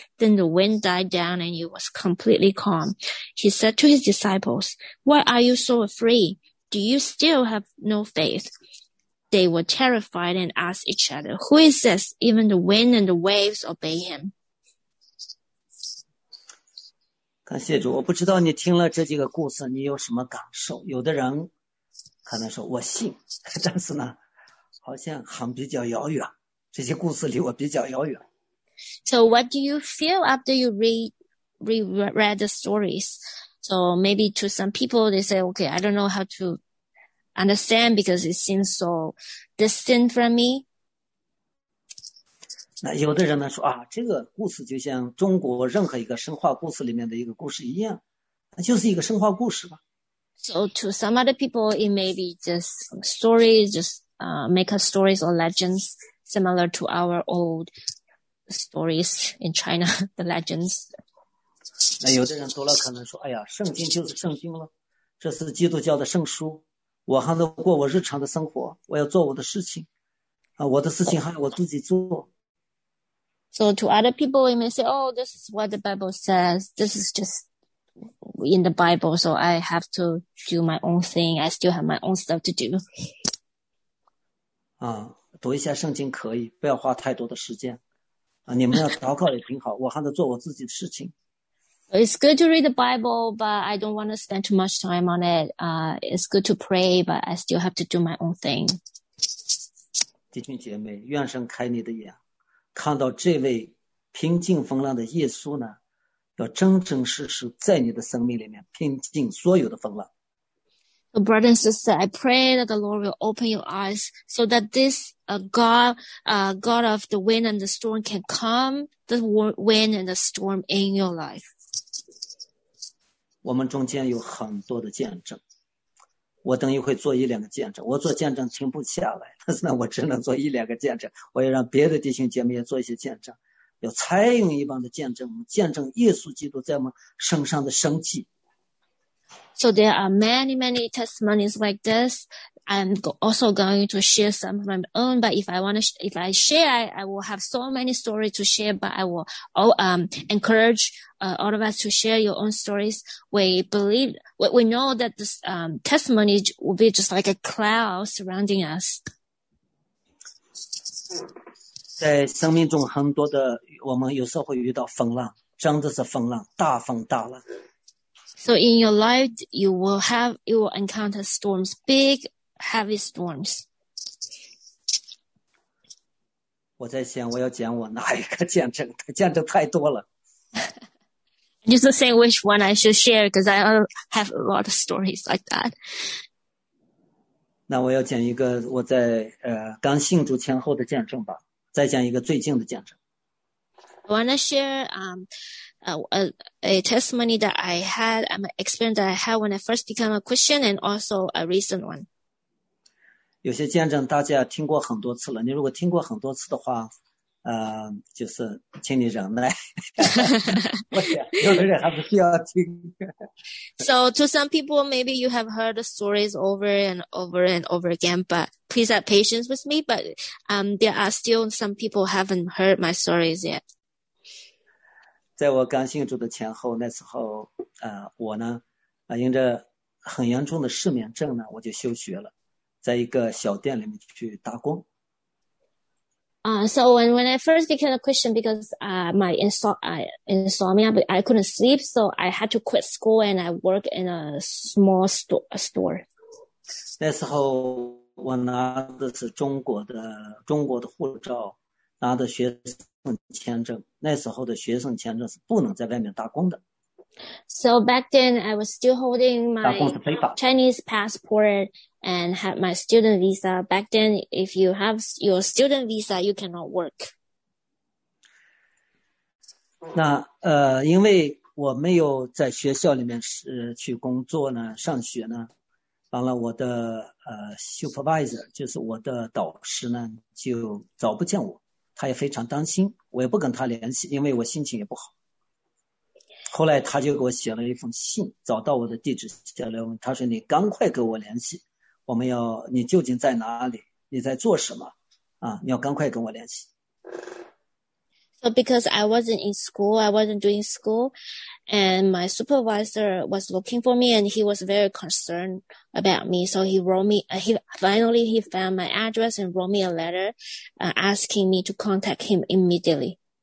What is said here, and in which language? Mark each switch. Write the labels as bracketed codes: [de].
[en] Then the wind died down and it was completely calm. He said to his disciples, why are you so afraid? Do you still have no faith? They were terrified and asked each other, who is this? Even the wind and the waves obey him. [zh] 感谢主，我不知道你听了这几个故事你有什么感受。有的人可能说我信，但是呢好像很比较遥远，这些故事离我比较遥远。 [en] So what do you feel after you reread the stories? So maybe to some people, they say, okay, I don't know how to understand because it seems so distant from me. [zh] 那有的人呢说啊，这个故事就像中国任何一个神话故事里面的一个故事一样，那就是一个神话故事吧。 [en] So to some other people, it may be just stories, just make up stories or legends similar to our old stories in China, the legends. [zh] 那有的人读了可能说，哎呀，圣经就是圣经了，这是基督教的圣书，我还能过我日常的生活，我要做我的事情，啊，我的事情还要我自己做。 [en] So to other people, you may say, oh, this is what the Bible says. This is just in the Bible. So I have to do my own thing. I still have my own stuff to do. [zh] 啊，读一下圣经可以，不要花太多的时间。啊，你们要祷告也挺好，我还能做我自己的事情。 [en] It's good to read the Bible, but I don't want to spend too much time on it. It's good to pray, but I still have to do my own thing. [zh] 弟兄姐妹，愿神开你的眼。看到这位平静风浪的耶稣呢，要真真实实在你的生命里面平静所有的风浪。 [en] So, brother and sister, I pray that the Lord will open your eyes so that this God, God of the wind and the storm can calm the wind and the storm in your life. [zh] 我们中间有很多的见证，我等一会做一两个见证，我做见证停不下来，但是呢我只能做一两个见证，我要让别的弟兄姐妹也做一些见证，有蚕蛹一般的见证，见证耶稣基督在我们身上的生机。 [en] So there are many, many testimonies like this. I'm also going to share some of my own, but if I share, I will have so many stories to share, but I will encourage all of us to share your own stories. We know that this testimony will be just like a cloud surrounding us. [zh] 在生命中很多的，我们有时候会遇到风浪，真的是风浪，大风大浪。 [en] So in your life, you will encounter storms, big, heavy storms. [zh] 我在想，我要讲我哪一个见证？见证太多了。 [en] Just to say which one I should share, because I have a lot of stories like that. [zh] 那我要讲一个我在刚信主前后的见证吧，再讲一个最近的见证。 [en] I want to share a testimony that I had, an experience that I had when I first became a Christian, and also a recent one. [zh] 有些见证大家听过很多次了，你如果听过很多次的话，就是请你忍耐。有的人还不需要听。 [en] So to some people, maybe you have heard the stories over and over and over again, but please have patience with me, but there are still some people who haven't heard my stories yet. [zh] 在我刚信主的前后，那时候我呢因着很严重的失眠症呢，我就休学了，在一个小店里面去打工。 [en] So when I first became a Christian, because my insomnia, I couldn't sleep, so I had to quit school and I worked in a small store. [zh] 那时候我拿的是中国的护照，拿的学生签证，那时候的学生签证是不能在外面打工的。 [en] So back then, I was still holding my Chinese passport and had my student visa. Back then, if you have your student visa, you cannot work. [zh] 那因为我没有在学校里面去工作呢，上学呢，完了我的supervisor 就是我的导师呢，就找不见我。他也非常担心，我也不跟他联系，因为我心情也不好。后来他就给我写了一封信，找到我的地址，写了问他说：“你赶快给我联系，我们要你究竟在哪里？你在做什么？啊，你要赶快跟我联系。” [en] So because I wasn't in school, I wasn't doing school, and my supervisor was looking for me, and he was very concerned about me. So he wrote me. He found my address and wrote me a letter, asking me to contact him immediately.